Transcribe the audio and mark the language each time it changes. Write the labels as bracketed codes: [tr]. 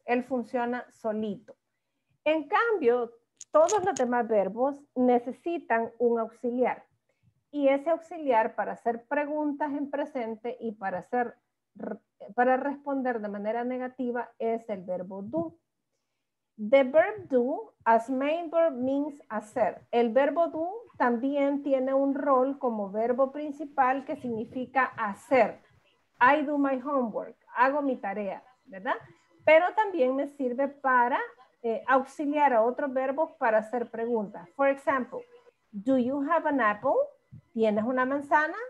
[es] Él funciona solito. En cambio, todos los demás verbos necesitan un auxiliar. Y ese auxiliar para hacer preguntas en presente y para responder de manera negativa es el verbo do. [en] The verb do as main verb means hacer. [es] El verbo do también tiene un rol como verbo principal que significa hacer. [en] I do my homework, [es] hago mi tarea, ¿verdad? Pero también me sirve para auxiliar a otros verbos para hacer preguntas. [en] For example, do you have an apple? [es] ¿Tienes una manzana?